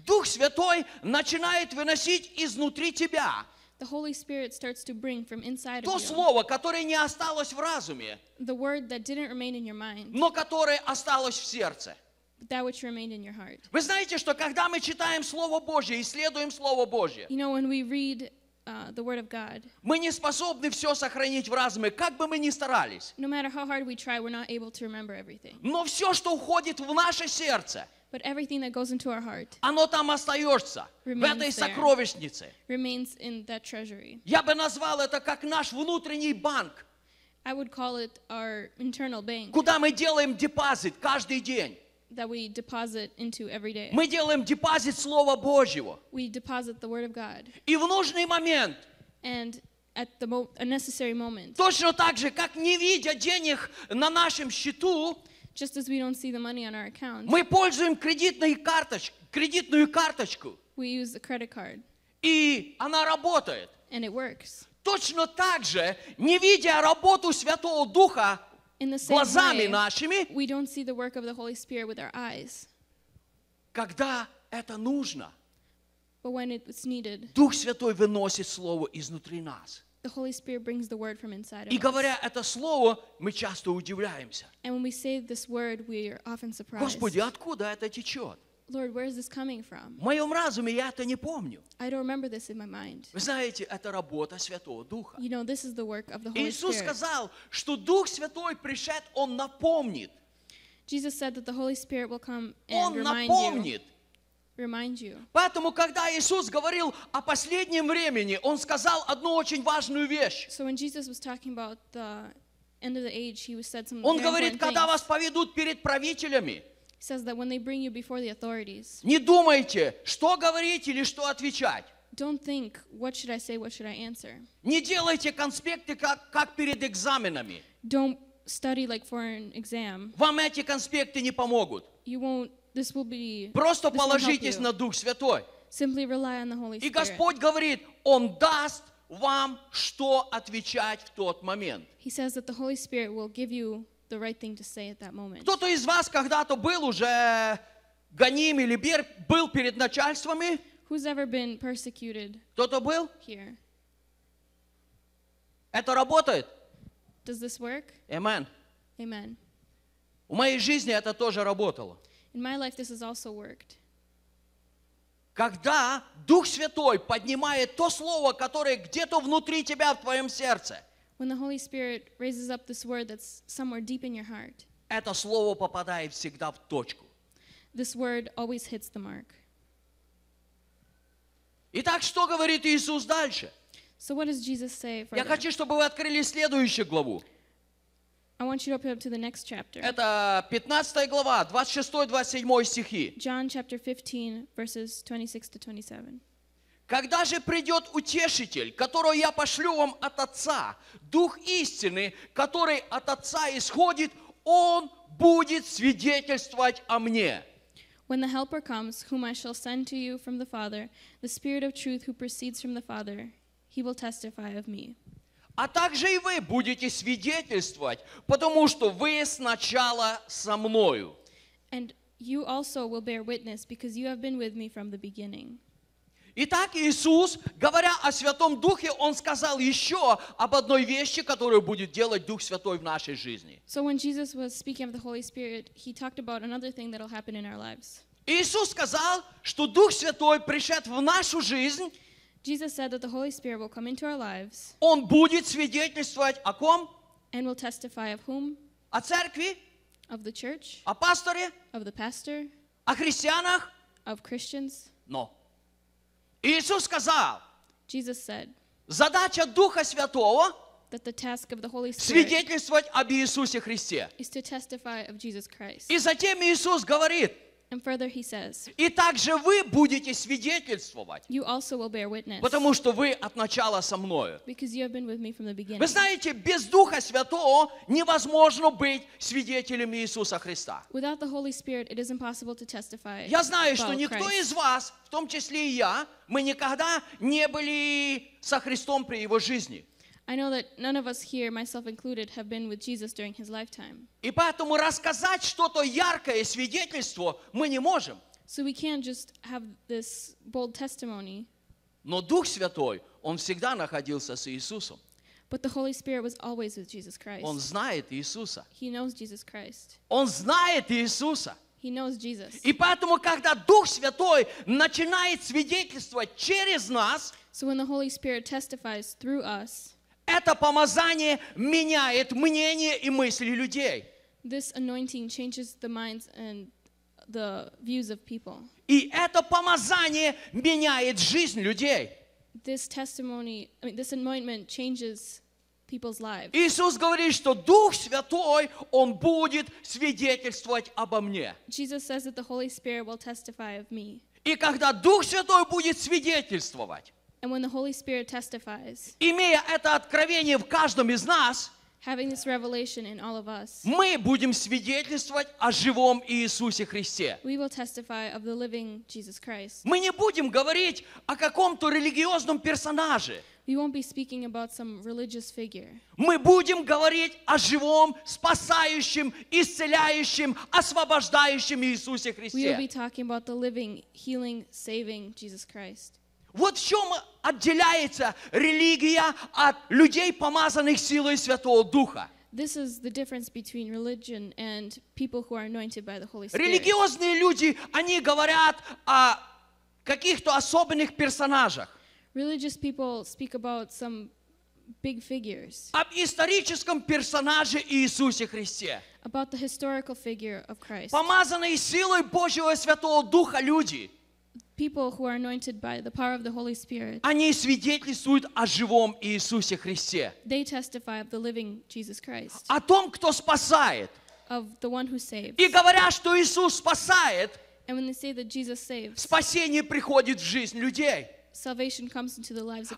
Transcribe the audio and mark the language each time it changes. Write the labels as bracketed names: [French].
[Russian] Дух Святой начинает выносить изнутри тебя [English] the Holy Spirit starts to bring from inside [Russian] то [English] of you, [Russian] слово, которое не осталось в разуме, [English] the word that didn't remain in your mind, [Russian] но которое осталось в сердце. [English] That which remained in your heart. [Russian] Вы знаете, что когда мы читаем Слово Божье, исследуем Слово Божье, [English] you know, when we read, the Word of God, [Russian] мы не способны все сохранить в разуме, как бы мы ни старались. [English] No matter how hard we try, we're not able to remember everything. [Russian] Но все, что уходит в наше сердце, [English] But everything that goes into our heart, [Russian] оно там остается, в этой сокровищнице. [English] Remains in that treasury. [Russian] Я бы назвал это как наш внутренний банк. [English] I would call it our internal bank. [Russian] Куда мы делаем депозит каждый день. [English] That we deposit into every day. [Russian] Мы делаем депозит Слова Божьего. [English] We deposit the Word of God. [Russian] И в нужный момент. [English] And at the a necessary moment. [Russian] Точно так же, как не видя денег на нашем счету, [English] just as we don't see the money on our account, [Russian] мы пользуем кредитную карточку. [English] We use the credit card. [Russian] И она работает. [English] And it works. [Russian] Точно так же, не видя работу Святого Духа, [English] In the same [Russian] глазами [English] way, [Russian] нашими, [English] we don't see the work of the Holy Spirit with our eyes. [Russian] Когда это нужно, [English] but when it's needed, [Russian] Дух Святой выносит Слово изнутри нас. [English] The Holy Spirit brings the word from inside of us. [Russian] И говоря это Слово, мы часто удивляемся. [English] And when we say this word, we are often surprised. [Russian] Господи, откуда это течет? [English] Lord, where is this coming from? [Russian] В моем разуме я это не помню. [English] I don't remember this in my mind. [Russian] Вы знаете, это работа Святого Духа. [English] You know, this is the work of the Holy [Russian] Иисус [English] Spirit. [Russian] Сказал, что Дух Святой пришед, Он напомнит. [English] Jesus said that the Holy Spirit will come and [Russian] Он [English] remind [Russian] напомнит. [English] You. Remind you. [Russian] Поэтому, когда Иисус говорил о последнем времени, Он сказал одну очень важную вещь. [English] So when Jesus was talking about the end of the age, He said some [Russian] Он [English] very important [Russian] говорит, [English] things. [Russian] Когда вас поведут перед правителями, [English] says that when they bring you before the authorities, [Russian] не думайте, что говорить или что отвечать. [English] Don't think, what should I say, what should I answer. [Russian] Не делайте конспекты, как перед экзаменами. [English] Don't study like for an exam. [Russian] Вам эти конспекты не помогут. [English] You won't, this will be, [Russian] Просто [English] this [Russian] положитесь [English] will help you. [Russian] На Дух Святой. [English] Simply rely on the Holy Spirit. [Russian] И Господь говорит, Он даст вам, что отвечать в тот момент. [English] He says that the Holy Spirit will give you the right thing to say at that moment. [Russian] Кто-то из вас когда-то был уже гоним или был перед начальствами? [English] Who's ever been persecuted? [Russian] Кто-то был? [English] Here. [Russian] Это работает? [English] Does this work? Amen. Amen. [Russian] В моей жизни это тоже работало. [English] In my life this has also worked. [Russian] Когда Дух Святой поднимает то слово, которое где-то внутри тебя в твоем сердце, [English] When the Holy Spirit raises up this word that's somewhere deep in your heart, [Russian] это слово попадает всегда в точку. [English] This word always hits the mark. [Russian] Итак, что говорит Иисус дальше? [English] So what does Jesus say further? [Russian] Я хочу, чтобы вы открыли следующую главу. [English] I want you to open up to the next chapter. [Russian] Это 15 глава, 26-27 стихи. [English] John chapter 15, verses 26 to 27. [Russian] Когда же придет утешитель, которого я пошлю вам от Отца, Дух истины, который от Отца исходит, Он будет свидетельствовать о мне. [English] When the helper comes, whom I shall send to you from the Father, the Spirit of truth who proceeds from the Father, he will testify of me. [Russian] А также и вы будете свидетельствовать, потому что вы сначала со мною. [English] And you also will bear witness because you have been with me from the beginning. [Russian] Итак, Иисус, говоря о Святом Духе, Он сказал еще об одной вещи, которую будет делать Дух Святой в нашей жизни. [English] So when Jesus was speaking of the Holy Spirit, He talked about another thing that will happen in our lives. [Russian] Иисус сказал, что Дух Святой пришед в нашу жизнь. [English] Jesus said that the Holy Spirit will come into our lives. [Russian] Он будет свидетельствовать о ком? [English] And will testify of whom? [Russian] О церкви? [English] Of the church? [Russian] О пасторе? [English] Of the pastor? [Russian] О христианах? [English] Of Christians? [Russian] Но Иисус сказал, [English] Jesus said, [Russian] задача Духа Святого [English] that the task of the Holy Spirit [Russian] свидетельствовать об Иисусе Христе. [English] Is to testify of Jesus Christ. [Russian] И затем Иисус говорит, [English] and further he says, [Russian] и также вы будете свидетельствовать, [English] you also will bear witness, [Russian] потому что вы от начала со мною. [English] Because you have been with me from the beginning. [Russian] Вы знаете, без Духа Святого невозможно быть свидетелем Иисуса Христа. [English] Without the Holy Spirit, it is impossible to testify. [Russian] Я знаю, что никто из вас, в том числе и я, мы никогда не были со Христом при Его жизни. [English] I know that none of us here, myself included, have been with Jesus during his lifetime. [Russian] И поэтому рассказать что-то яркое свидетельство мы не можем. [English] So we can't just have this bold testimony. [Russian] Но Дух Святой, Он всегда находился с Иисусом. [English] But the Holy Spirit was always with Jesus Christ. [Russian] Он знает Иисуса. [English] He knows Jesus Christ. [Russian] Он знает Иисуса. [English] He knows Jesus. [Russian] И поэтому, когда Дух Святой начинает свидетельствовать через нас, [English] so when the Holy Spirit testifies through us, [Russian] это помазание меняет мнение и мысли людей. [English] This anointing changes the minds and the views of people. [Russian] И это помазание меняет жизнь людей. [English] This testimony, I mean, this anointment changes people's lives. [Russian] Иисус говорит, что Дух Святой, Он будет свидетельствовать обо мне. [English] Jesus says that the Holy Spirit will testify of me. [Russian] И когда Дух Святой будет свидетельствовать, [English] and when the Holy Spirit testifies, [Russian] имея это откровение в каждом из нас, [English] having this revelation in all of us, [Russian] мы будем свидетельствовать о живом Иисусе Христе. [English] We will testify of the living Jesus Christ. [Russian] Мы не будем говорить о каком-то религиозном персонаже. [English] We won't be speaking about some religious figure. [Russian] Мы будем говорить о живом, спасающем, исцеляющем, освобождающем Иисусе Христе. [English] We will be talking about the living, healing, saving Jesus Christ. [Russian] Вот в чем отделяется религия от людей, помазанных силой Святого Духа. [English] This is the difference between religion and people who are anointed by the Holy Spirit. [Russian] Религиозные люди, они говорят о каких-то особенных персонажах. [English] Religious people speak about some big figures. [Russian] Об историческом персонаже Иисусе Христе. [English] About the historical figure of Christ. [Russian] Помазанные силой Божьего Святого Духа люди. [English] People who are anointed by the power of the Holy Spirit. [Russian] Они свидетельствуют о живом Иисусе Христе. [English] They testify of the living Jesus Christ. [Russian] О том, кто спасает. [English] Of the one who saves. [Russian] И говоря, что Иисус спасает. [English] And when they say that Jesus saves. [Russian] Спасение приходит в жизнь людей. [English] Salvation comes into the lives of